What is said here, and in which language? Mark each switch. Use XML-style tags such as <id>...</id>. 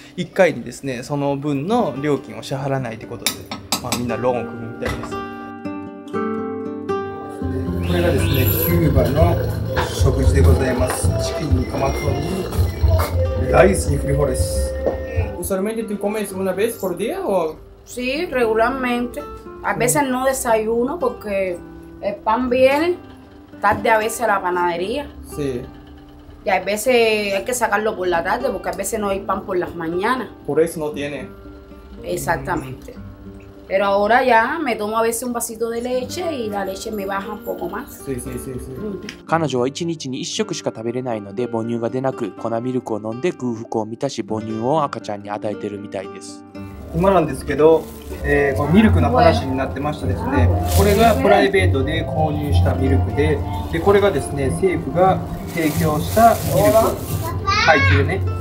<ja>1回にですねその分の料金を支払わないってことで、まあ、みんなローンを組むみたいです。これがですねキューバの食事でございます。チキンにトマトにライスにフリホレス。</ja> <es>Usualmente tú comes una vez por día o? Sí, regularmente. A veces no desayuno porque el pan viene tarde a veces a la panadería. Sí. Y a veces hay que sacarlo por la tarde porque a veces no hay pan por las mañanas. Por eso no tiene. Exactamente. Pero ahora ya me tomo a veces un vasito de leche y la leche me baja un poco más. Sí, sí, sí, sí.</es> <ja>彼女は1日に1食しか食べれないので母乳が出なく、粉ミルクを飲んで空腹を満たし母乳を赤ちゃんに与えてるみたいです。今なんですけど、このミルクの話になってましたですね。これがプライベートで購入したミルクで、でこれがですね政府が提供したミルク。はい、というね。</ja>